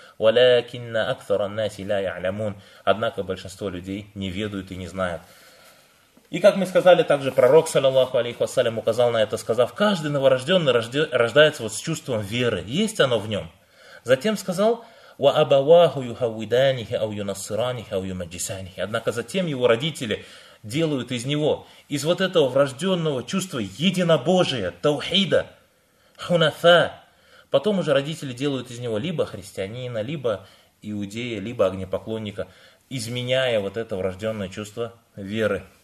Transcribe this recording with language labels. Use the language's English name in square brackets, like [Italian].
[Arabic] Валякинна аксаран наси ля я'лямун. [Russian] Однако большинство людей не ведают и не знают. И как мы сказали, также пророк, саллиллаху алейхи вассалям, указал на это, сказав: каждый новорожденный рождается вот с чувством веры. Есть оно в нем. Затем сказал, [Arabic] وأبواه يهودانه أو ينصرانه أو يمجسانه. [Russian] Однако затем его родители делают из него, из вот этого врожденного чувства единобожия, таухида, хунафа. Потом уже родители делают из него либо христианина, либо иудея, либо огнепоклонника, изменяя вот это врожденное чувство веры.